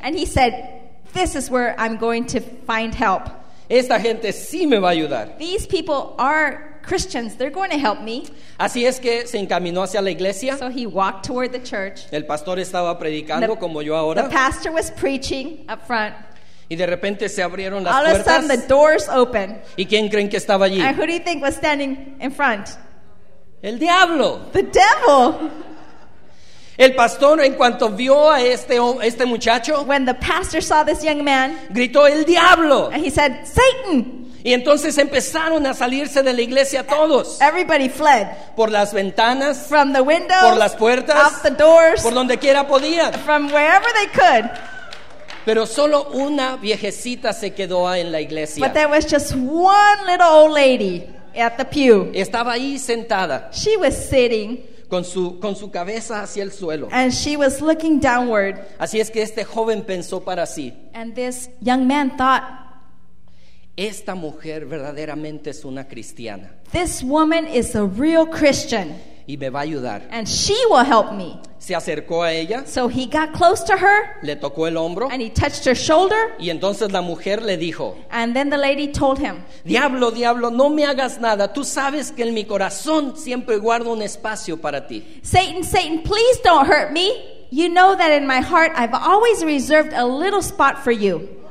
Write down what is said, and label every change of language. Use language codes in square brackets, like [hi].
[en] And he said, this is where I'm going to find help. [es] Esta gente sí me va a ayudar. [en] These people are Christians. They're going to help me. [es] Así es que se encaminó hacia la iglesia. [en] So he walked toward the church. [es] El pastor estaba predicando como yo ahora. [en] The pastor was preaching up front. [es] Y de repente se abrieron las puertas. [en] All of a sudden the doors open. [es] ¿Y quién creen que estaba allí? [en] And who do you think was standing in front? [es] El diablo. [en] The devil. [es] El pastor, en cuanto vio a este muchacho, [en] when the pastor saw this young man, [es] gritó, el diablo. [en] And he said, Satan. [es] Y entonces empezaron a salirse de la iglesia todos. [en] Everybody fled. [es] Por las ventanas. [en] From the windows. [es] Por las puertas. [en] Out the doors. [es] Por donde quiera podían. [en] From wherever they could. [es] Pero solo una viejecita se quedó en la iglesia. [en] But there was just one little old lady at the pew. [es] Estaba ahí sentada. [en] She was sitting. [es] Con su cabeza hacia el suelo. [en] And she was looking downward. [es] Así es que este joven pensó para sí. [en] And this young man thought, [es] esta mujer verdaderamente es una cristiana. [en] This woman is a real Christian. [es] Y me va a ayudar. [en] And she will help me. [es] Se acercó a ella. [en] So he got close to her. [es] Le tocó el hombro. [en] And he touched her shoulder. [es] Y entonces la mujer le dijo. [en] And then the lady told him. [es] Diablo, diablo, no me hagas nada. Tú sabes que en mi corazón siempre guardo un espacio para ti. [en] Satan, Satan, please don't hurt me. You know that in my heart I've always reserved a little spot for you.